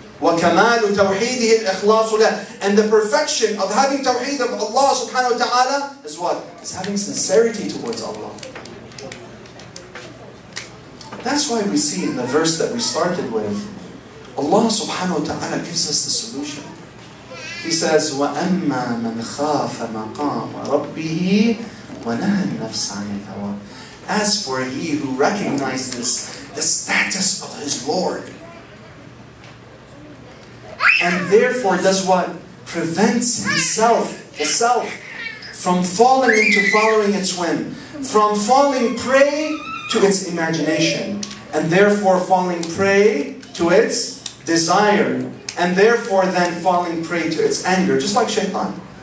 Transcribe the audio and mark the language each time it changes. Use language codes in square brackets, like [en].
[ar] وَكَمَالُ تَوْحِيدِهِ الْإِخْلَاصُ لَهُ, [en] and the perfection of having tawheed of Allah subhanahu wa ta'ala is what? Is having sincerity towards Allah. That's why we see in the verse that we started with, Allah subhanahu wa ta'ala gives us the solution. He says, [ar] وَأَمَّا مَنْ خَافَ مَقَامَ رَبِّهِ وَنَهَى النَّفْسَ عَنِ الْهَوَى. [en] As for he who recognizes the status of his Lord, and therefore does what? Prevents himself, the self, from falling into following its whim, from falling prey to its imagination, and therefore falling prey to its desire, and therefore then falling prey to its anger, just like shaitan.